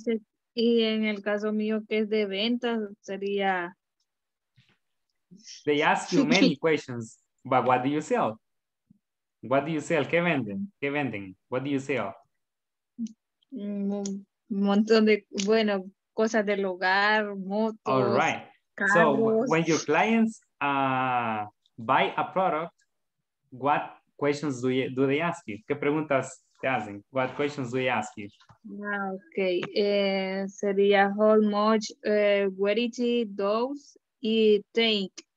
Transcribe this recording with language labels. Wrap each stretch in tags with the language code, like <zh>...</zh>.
<es>So, y en el caso mío que es de ventas, sería...</es> <en>They ask you many questions, but what do you sell? What do you sell?</en> <es>¿Qué venden? ¿Qué venden?</es> <en>What do you sell?</en> <es>Un montón de, bueno, cosas del hogar, motos,</es> <en>all right. Carros. So, when your clients buy a product, what questions do they ask you?</en> <es>¿Qué preguntas te hacen?</es> <en>What questions do they ask you? Ah, okay. Sería how much, where it is, does it take?</en>